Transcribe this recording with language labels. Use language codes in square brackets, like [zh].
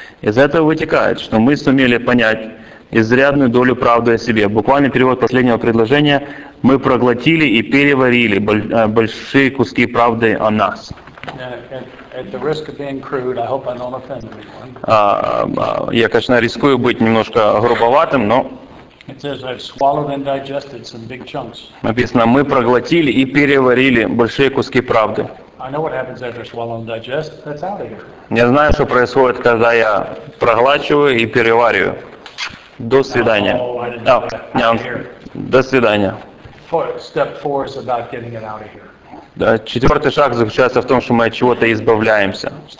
[ru] Из этого вытекает, что мы сумели понять изрядную долю правды о себе. Буквально перевод последнего предложения: мы проглотили и переварили большие куски правды о нас. Я, конечно, рискую быть немножко грубоватым, но [en] it says, I've swallowed and digested some big chunks. [ru] Написано, мы проглотили и переварили большие куски правды. [en] I know what happens after swallow and digest. That's out of here. [ru] Я знаю, что происходит, когда я проглачиваю и перевариваю. До свидания. До свидания. [en] Step four is about getting it out of here. [ru] Да, четвертый шаг заключается в том, что мы от чего-то избавляемся.